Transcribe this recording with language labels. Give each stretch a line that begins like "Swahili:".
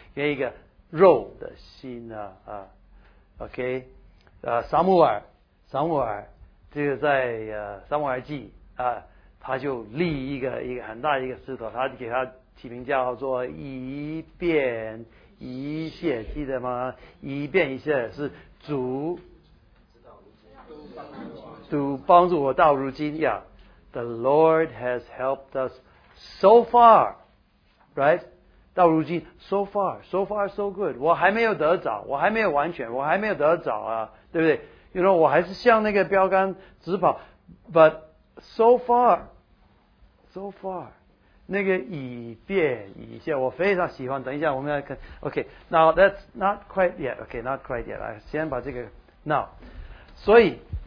Chinese: 给一个肉的心啊啊 ，OK， 撒母耳这个在撒母耳记啊，他就立一个很大的一个石头，他给他起名叫做以便。一线记得吗？一遍一线是主主帮助我到如今呀、yeah.
English: The Lord has helped us so far, right?
Chinese: 到如今 so far, so far so good, 我还没有得着，我还没有完全，我还没有得着啊，对不对？ You know, 我还是向那个标杆直跑， but so far, so far, 那个以便以下我非常喜欢，等一下我们要看 OK, now that's not quite yet, OK, not quite yet, 来先把这个 now, 所以